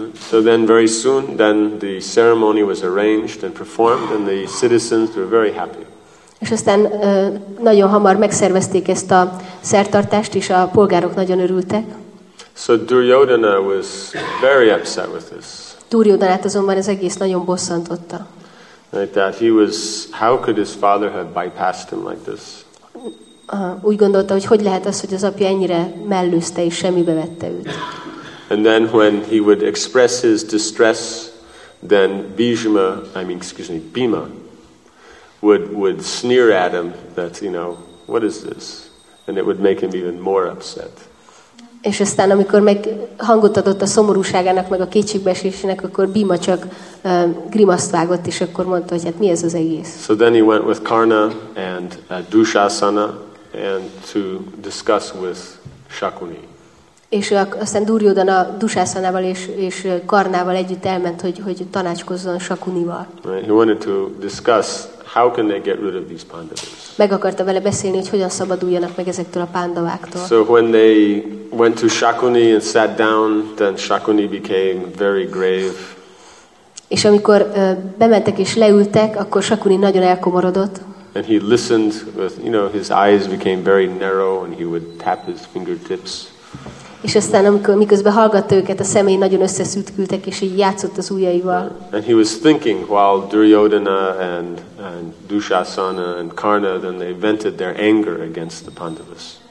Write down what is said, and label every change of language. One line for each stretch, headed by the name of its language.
English: So then very soon then the ceremony was arranged and performed and the citizens were very happy.
Hungarian: És aztán nagyon hamar megszervezték ezt a szertartást és a polgárok nagyon örültek.
English: So Duryodhana was very upset with this.
Hungarian: Duryodhanát azonban ez egész nagyon bosszantotta.
English: Like that he was, how could his father have bypassed him like this?
Hungarian: Úgy gondolta, hogy lehet az, hogy az apja ennyire mellőzte és semmibe vette őt.
English: And then when he would express his distress, then Bhima would sneer at him that, you know, what is this? And it would make him even more upset.
Hungarian: És aztán, amikor meg hangot adott a szomorúságának, meg a kétségbeesésének, akkor Bhima csak grimaszt vágott, és akkor mondta, hogy hát mi ez az egész.
English: So then he went with Karna and Dushasana and to discuss with Shakuni.
Hungarian: És aztán Duryodhana Dushasanával és Karnával együtt elment, hogy tanácskozzon Shakunival.
English: Right. He wanted to discuss how can they get rid of these Pandavas.
Hungarian: Meg akarta vele beszélni, hogy hogyan szabaduljanak meg ezektől a pándaváktól.
English: So when they went to Shakuni and sat down, then Shakuni became very grave.
Hungarian: És amikor bementek és leültek, akkor Shakuni nagyon elkomorodott.
English: And he listened with, you know, his eyes became very narrow and he would tap his fingertips.
Hungarian: És aztán, amikor miközben hallgatta őket, a szemei nagyon összeszűkültek, és így játszott az ujjaival.
English: And he was thinking while Duryodhana and Dushasana and Karna then they vented their anger against the Pandavas.